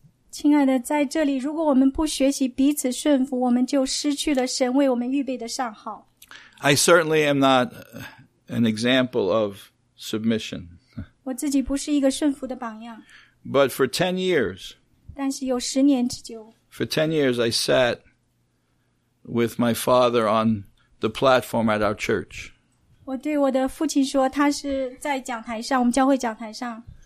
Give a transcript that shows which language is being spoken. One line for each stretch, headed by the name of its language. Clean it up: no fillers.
Chinese: 亲爱的，在这里，如果我们不学习彼此顺服，我们就失去了神为我们预备的上好。
English: I certainly am not an example of submission.
Chinese: 我自己不是一个顺服的榜样。
English: But for 10 years,
Chinese: 但是有十年之久。
English: For 10 years, I sat with my father on the platform at our church.
Chinese: 我对我的父亲说，他是在讲台上，我们教会讲台上。